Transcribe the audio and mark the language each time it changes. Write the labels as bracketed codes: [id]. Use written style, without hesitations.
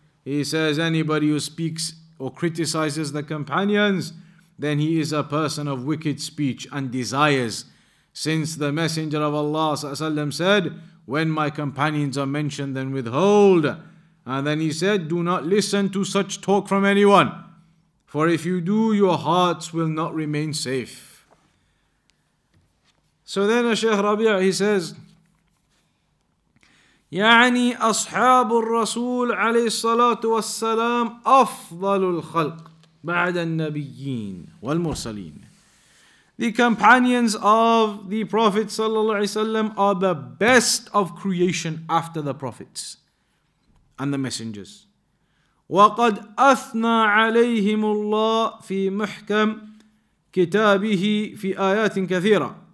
[en] He says anybody who speaks or criticizes the companions, then he is a person of wicked speech and desires. Since the Messenger of Allah ﷺ said, when my companions are mentioned, then withhold. And then he said, do not listen to such talk from anyone. For if you do, your hearts will not remain safe. So then Shaykh Rabi', he says, [ar] يعني أصحاب الرسول عليه الصلاة والسلام أفضل الخلق بعد النبيين والمرسلين. [en] The companions of the Prophet ﷺ are the best of creation after the prophets and the messengers. [ar] وَقَدْ أَثْنَى عَلَيْهِمُ اللَّهِ فِي مُحْكَمْ كِتَابِهِ فِي آيَاتٍ كَثِيرًا.